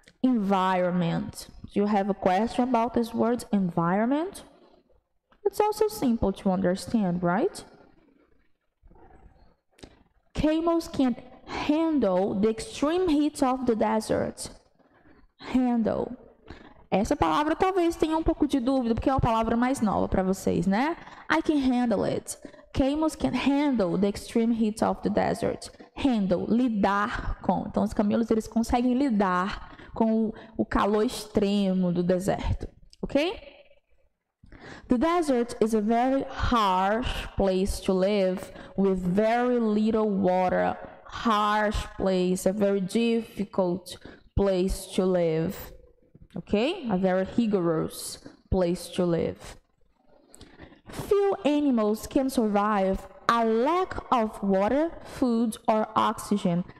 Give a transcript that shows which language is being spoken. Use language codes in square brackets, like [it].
[en] Environment. Do you have a question about this word, environment? It's also simple to understand, right? Camels can't handle the extreme heat of the desert. Handle. [pt] Essa palavra talvez tenha um pouco de dúvida, porque é uma palavra mais nova para vocês, né? [en] I can handle it. Camels can handle the extreme heat of the desert. [pt] Handle, lidar com. Então, os camelos, eles conseguem lidar com o calor extremo do deserto, ok? [en] The desert is a very harsh place to live with very little water. Harsh place, a very difficult place to live, ok? A very rigorous place to live. Few animals can survive a lack of water, food, or oxygen.